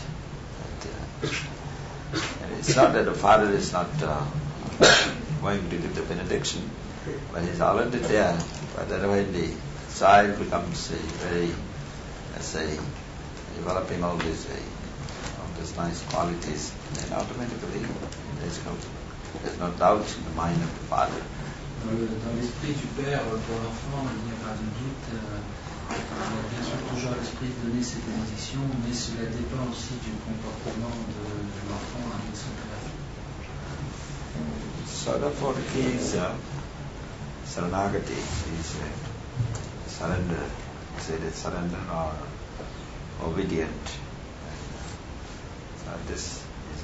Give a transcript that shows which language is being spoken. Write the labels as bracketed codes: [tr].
[en] But, and it's not that the father is not going to give the benediction, but he's already there. But then when the child becomes a very, let's say, developing all these nice qualities, then automatically there's no doubt in the mind of the father. [fr] Dans l'esprit du père pour l'enfant, il n'y a pas de doute. Il y a bien sûr toujours l'esprit de donner ses bénédictions, mais cela dépend aussi du comportement de l'enfant avec son père. [en] So therefore, the key is saranagati, is surrender, say that surrender or obedient. So this is